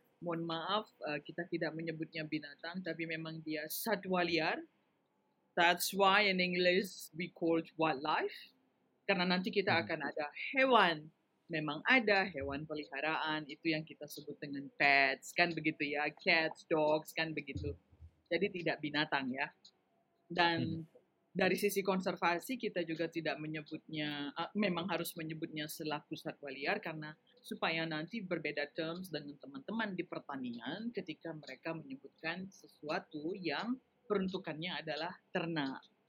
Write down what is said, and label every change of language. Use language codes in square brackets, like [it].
[id] Mohon maaf, kita tidak menyebutnya binatang, tapi memang dia satwa liar. [en] That's why in English we called wildlife. [id] Karena nanti kita akan ada hewan. Memang ada hewan peliharaan, itu yang kita sebut dengan [en] pets, [id] kan begitu ya. [en] Cats, dogs, [id] kan begitu. Jadi tidak binatang ya. Dan dari sisi konservasi, kita juga tidak menyebutnya, memang harus menyebutnya selaku satwa liar, karena supaya nanti berbeda terms dengan teman-teman di pertanian ketika mereka menyebutkan sesuatu yang peruntukannya adalah ternak.